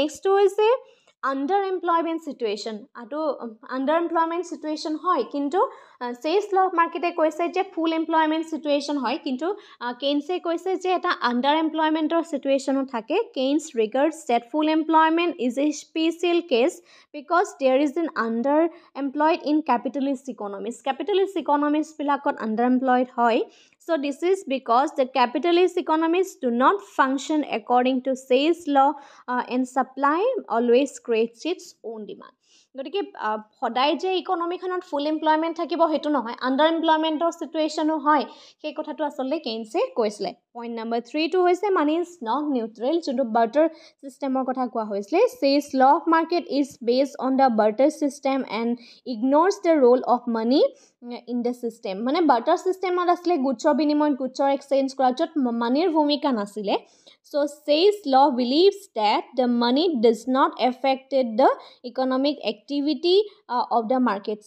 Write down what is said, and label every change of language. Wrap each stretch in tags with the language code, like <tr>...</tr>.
<as>নেক্সটটো হৈছে under employment situation, আটো under employment situation হয় কিন্তু ছেজ লব মাৰ্কেটে কৈছে যে ফুল এমপ্লয়মেণ্ট চিটুৱেশ্যন হয়, কিন্তু কেইনছে কৈছে যে এটা আণ্ডাৰ এমপ্লয়মেণ্টৰ চিটুৱেশ্যনো থাকে।</as> <en>Keynes regards that full employment is a special case because there is an under employed in capitalist economics,</en> <as>capitalist ইকনমিক্সবিলাকত under employed হয়।</as> <en>So this is because the capitalist economies do not function according to sales law and supply always creates its own demand.</en> <as>গতিকে সদায় যে ইকনমিখনত ফুল employment থাকিব সেইটো নহয়, under এমপ্লয়মেণ্টৰ চিটুৱেশ্যনো হয়, সেই কথাটো আচলতে কেইনছে কৈছিলে। পইণ্ট নাম্বাৰ থ্ৰীটো হৈছে</as> <en>money is not neutral,</en> <as>যোনটো বাৰ্টাৰ চিষ্টেমৰ কথা কোৱা হৈছিলে।</as> <en>Say's law market is based on the barter system and ignores the role of money in the system,</en> <as>মানে বাৰ্টাৰ চিষ্টেমত আছিলে গুডছৰ বিনিময়ত গুডছৰ এক্সচেঞ্জ কৰা, য'ত মানিৰ ভূমিকা নাছিলে।</as> <en>So says law believes that the money does not affect the economic activity of the market.</en>